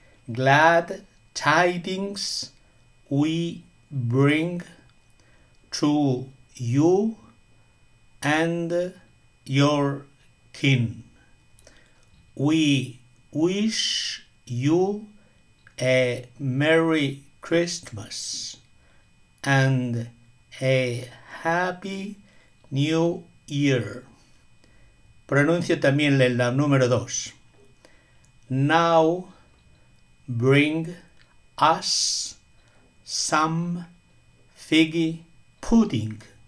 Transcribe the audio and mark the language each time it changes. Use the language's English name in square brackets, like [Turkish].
[English] Glad tidings we bring to you and your kin. We wish you a Merry Christmas and a Happy New Year. [Spanish] Pronuncio también la número 2. [English] Now bring us some figgy pudding.